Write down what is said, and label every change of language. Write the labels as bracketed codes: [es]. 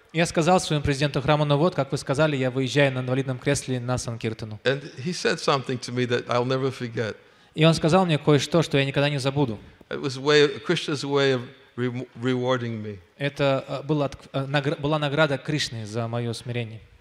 [ru] Я сказал своему президенту храма, ну вот, как вы сказали, я выезжаю на инвалидном кресле на Санкиртану. [en] And he said something to me that I'll never forget. [ru] И он сказал мне кое-что, что я никогда не забуду. [en] It was way, Krishna's way of rewarding me. [ru] Это была награда Кришны за мое смирение.